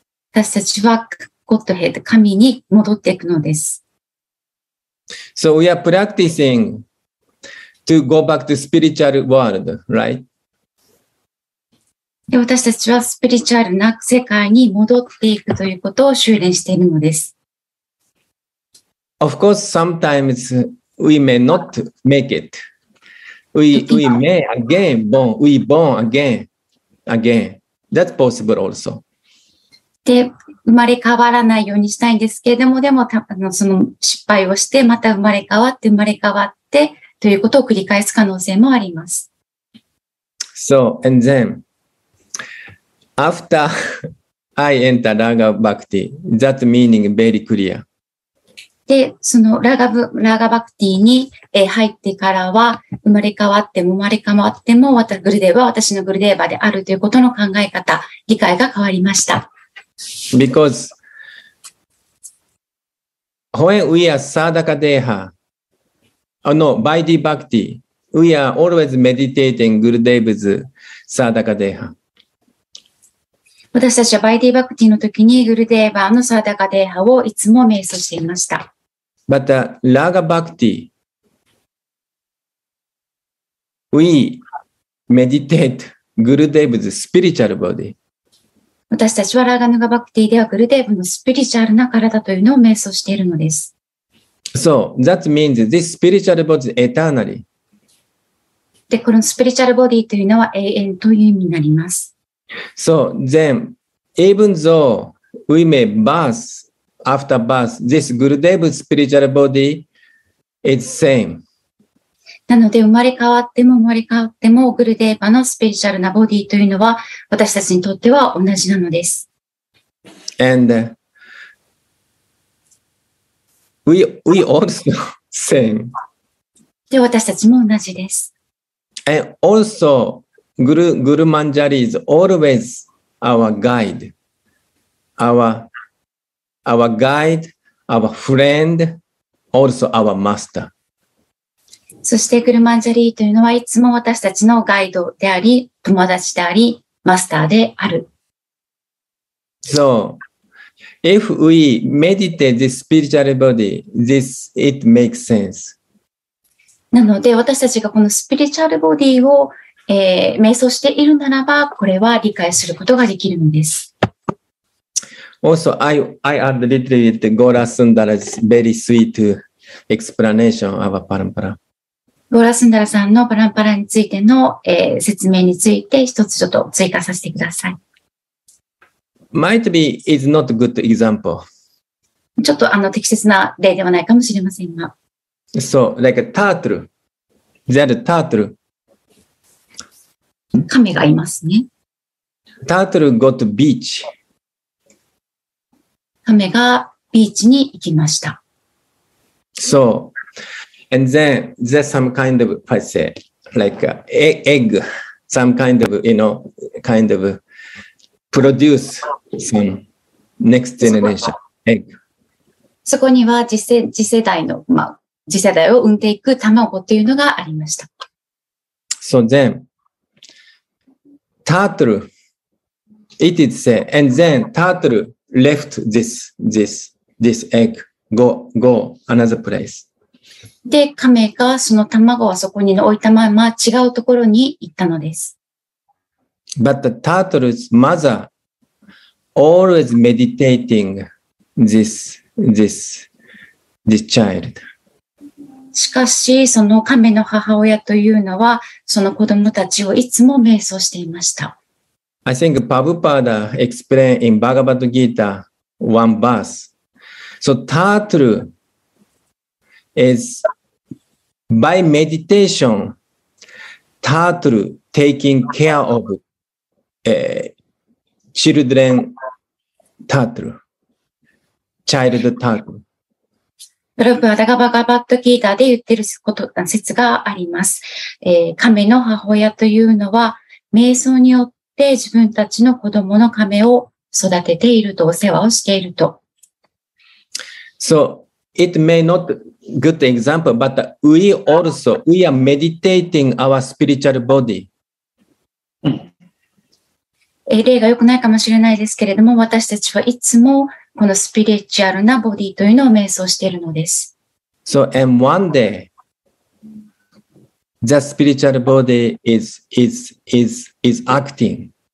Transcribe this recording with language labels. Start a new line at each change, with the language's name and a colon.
Japanese: 私たちは Godhead、神に戻っていくのです。
English: So we are practicing to go back to spiritual world, right?
Japanese: で、私たちはスピリチュアルな世界に戻っていくということを修練しているのです。
English: Of course, sometimes we may not make it. We may again born, we born again, again. That's possible also.
Japanese: で、生まれ変わらないようにしたいんですけれども、でも、その失敗をして、また生まれ変わって、生まれ変わって、ということを繰り返す可能性もあります。
English: So, and then,After I enter Raga Bhakti, that meaning very clear.
Japanese: で、そのラガバクティに入ってからは、生まれ変わっても生まれ変わっても、グルデーバは私のグルデーバであるということの考え方、理解が変わりました。
English: Because when we are sadaka deha, bhakti bhakti, we are always meditating Gurudeva's sadaka deha.
Japanese: 私たちはバイディバクティの時にグルデーバーのサーダカデーハをいつも瞑想していました。
English: But ラガバクティ、we meditate グルデーブズスピリチュアルボディ。
Japanese: 私たちはラガヌガバクティではグルデーブのスピリチュアルな体というのを瞑想しているのです。
English: So that means this spiritual body is eternal.
Japanese: で、このスピリチュアルボディというのは永遠という意味になります。
English: So then, even though we may birth after birth, this Gurudev's spiritual body is same.
Japanese: なので生まれ変わっても生まれ変わってもグルデーバのスピリチュアルなボディというのは私たちにとっては同じなのです。
English: And we also same.
Japanese: で私たちも同じです。
English: And also,Guru Manjari is always our guide, our friend, also our master.
Japanese: そしてグルマンジャリーというのはいつも私たちのガイドであり、友達であり、マスターである。
English: So, if we meditate this spiritual body, it makes sense.
Japanese: なので私たちがこのスピリチュアルボディを瞑想しているならば、これは理解することができるのです。
English: Also, I add a little bit Gora Sundara's very sweet explanation of a parampara.
Japanese: Gora Sundara さんのパランパラについての、説明について一つちょっと追加させてください。
English: Might be is not a good example.
Japanese: ちょっと適切な例ではないかもしれませんが。
English: So, like a turtle. There's a turtle.
Japanese: 亀がいますね。
English: タートル got beach。
Japanese: 亀がビーチに行きました。
English: So, and then there's some kind of, if I say, like egg, some kind of, you know, kind of produce some next generation egg.
Japanese: そこには次世代の、まあ、次世代を産んでいく卵というのがありました。
English: So then,Turtle, it is said, and then turtle left this egg, go another place.
Japanese: で、亀がその卵をそこに置いたまま違うところに行ったのです。
English: But the turtle's mother always meditating this child.
Japanese: しかし、その亀の母親というのは、その子供たちをいつも瞑想していました。
English: I think Prabhupada explained in Bhagavad Gita one verse. So, turtle is by meditation, turtle taking care of children turtle, child turtle.
Japanese: プラブアダガバガバットギーターで言ってること、説があります。亀の母親というのは、瞑想によって自分たちの子供の亀を育てていると、お世話をしていると。
English: So, it may not good example, but we also, we are meditating our spiritual body.
Japanese: 例が良くないかもしれないですけれども、私たちはいつも、このスピリチュアルなボディというのを瞑想しているのです。
English: So, and one day, the spiritual body is acting.